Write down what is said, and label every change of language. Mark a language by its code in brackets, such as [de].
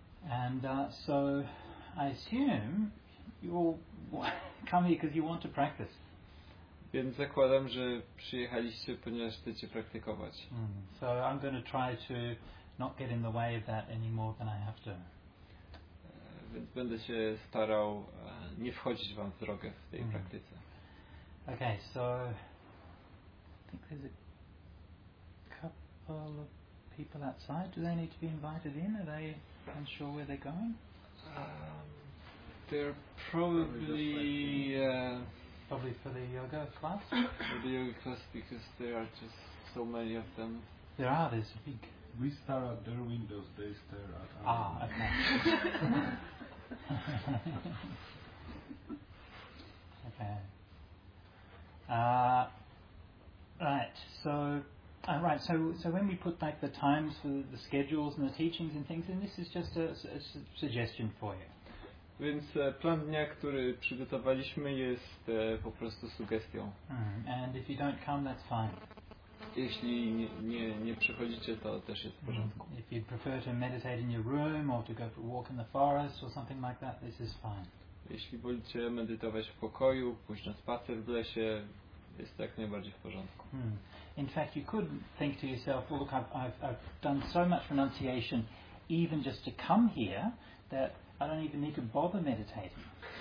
[en] And so I assume you all come here because you want to practice. [pl] Więc zakładam, że przyjechaliście, ponieważ chcecie praktykować. [en] So I'm going to try to not get in the way of that any more than I have to. [pl] Więc będę się starał nie wchodzić wam w drogę w tej praktyce. [en] Okay, so I think there's a couple of people outside. Do they need to be invited in? Are they unsure where they're going? They're probably probably for the yoga class. For the yoga class, because there are just so many of them. There are. There's a big. We stare at their windows. They stare at us. Ah, okay. Okay. Right. So. Right, so when we put like the times for the schedules and the teachings and things, then this is just a suggestion for you. [pl] Więc plan dnia, który przygotowaliśmy, jest po prostu sugestią. [en] And if you don't come, that's fine. [pl] Jeśli nie przychodzicie, to też jest w porządku. [en] If you prefer to meditate in your room or to go for a walk in the forest or something like that, this is fine. [pl] Jeśli wolicie medytować w pokoju, pójść na spacer w lesie, jest tak najbardziej w porządku. [en] In fact, you could think to yourself, well, look, I've done so much renunciation, even just to come here, that I don't even need to bother meditating.